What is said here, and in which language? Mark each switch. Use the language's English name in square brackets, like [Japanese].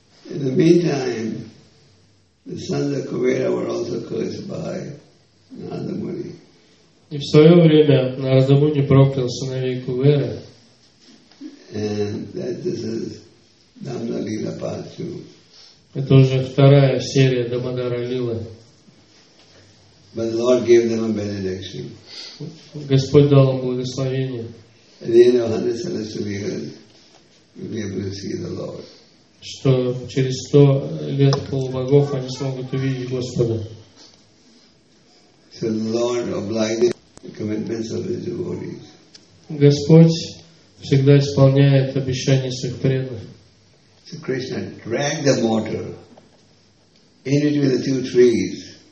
[English] In the meantime, the sons of Kuvera were also cursed by Narada Muni. [Russian] И в свое время Нарада Муни проклял сыновей Кувера. [English] And that this is Dhamma Lila Part 2. [Russian] Это уже вторая серия Дамодара Лилы. [English] But the Lord gave them a benediction. [Russian] Господь дал им благословение. [English] At the end of 100 celestial years, you'll be able to see the Lord. [Russian] Что через 100 лет полубогов они смогут увидеть Господа. [English] So the Lord obliges the commitments of His devotees. [Russian] Господь всегда исполняет обещания своих преданных. [English] So Krishna dragged the mortar in between the two trees.